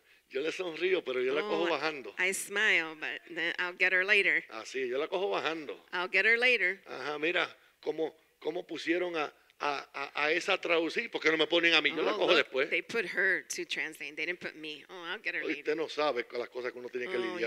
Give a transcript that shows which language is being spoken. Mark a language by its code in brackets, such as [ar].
[es] Yo le sonrío, pero yo la cojo bajando. [en] I smile, but then I'll get her later. [es] Así, yo la cojo bajando. [en] I'll get her later. [es] Ajá, mira cómo pusieron a esa traducir, porque no me ponen a mí. Yo la cojo después. [en] They put her to translate. They didn't put me. Oh, I'll get her later. [es] Usted no sabe las cosas que uno tiene que lidiar.